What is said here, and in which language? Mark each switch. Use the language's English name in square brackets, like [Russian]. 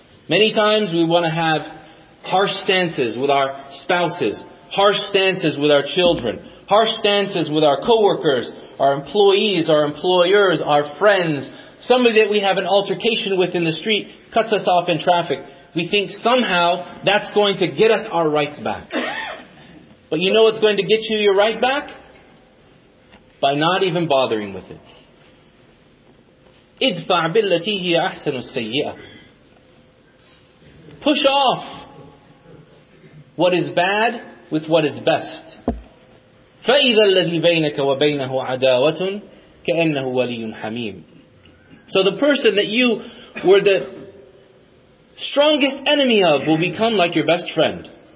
[English] Many times we want to have harsh stances with our spouses, harsh stances with our children, harsh stances with our co-workers, our employees, our employers, our friends. Somebody that we have an altercation with in the street cuts us off in traffic. We think somehow that's going to get us our rights back. But you know what's going to get you your right back? By not even bothering with it. [Arabic] ادفع بالتي هي أحسن السيئة. [English] Push off what is bad with what is best. [Arabic] فَإِذَا الَّذِي بَيْنَكَ وَبَيْنَهُ عَدَاوَةٌ كَأَنَّهُ وَلِيٌّ حَمِيمٌ. [English] So the person that you were the strongest enemy of will become like your best friend.